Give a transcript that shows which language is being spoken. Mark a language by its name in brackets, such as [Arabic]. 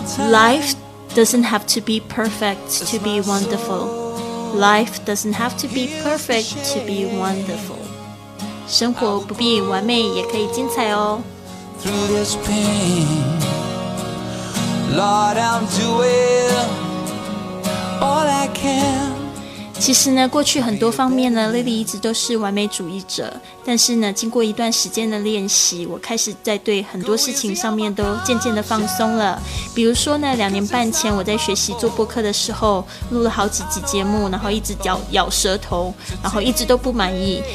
[English] Life doesn't have to be perfect to be wonderfulLife doesn't have to be perfect to be wonderful. [Chinese] 生活不必完美，也可以精彩哦。 [English] Through this pain, Lord, I'm doing all I can. [Chinese] 其实呢，过去很多方面呢 ，Lily 一直都是完美主义者。但是呢，经过一段时间的练习，我开始在对很多事情上面都渐渐的放松了。比如说呢，两年半前我在学习做播客的时候，录了好几集节目，然后一直咬舌头，然后一直都不满意。